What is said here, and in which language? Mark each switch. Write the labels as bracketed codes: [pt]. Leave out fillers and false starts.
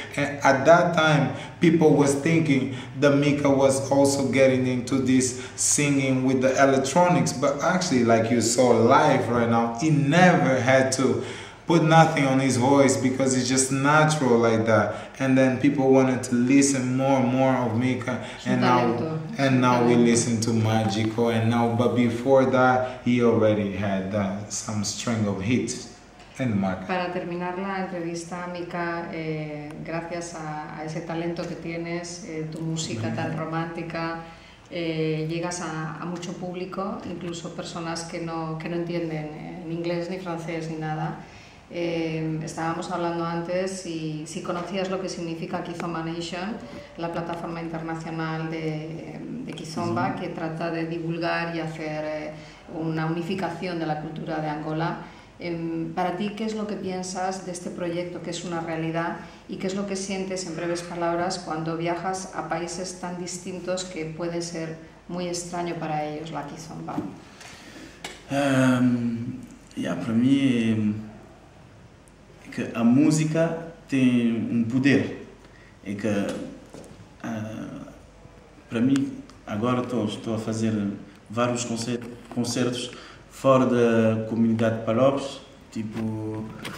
[en] And at that time, people was thinking that Mika was also getting into this singing with the electronics, but actually, like you saw live right now, he never had to put nothing on his voice because it's just natural like that. And then people wanted to listen more and more of Mika, and now we listen to Magico, and now, but before that, he already had some string of hits. [es] Para terminar la entrevista, Mika, gracias a ese talento que tienes, tu música tan romántica, llegas a mucho público, incluso personas que no entienden ni inglés ni francés ni nada. Estábamos hablando antes y si conocías lo que significa Kizomba Nation, la plataforma internacional de Kizomba, que trata de divulgar y hacer una unificación de la cultura de Angola. Para ti, ¿qué es lo que piensas de este proyecto, que es una realidad, y qué es lo que sientes, en breves palabras, cuando viajas a países tan distintos que puede ser muy extraño para ellos, la Kizomba? Para mí, que la música tiene un poder, y que para mí, ahora estoy a hacer varios conciertos [pt] fora da comunidade de Palops, tipo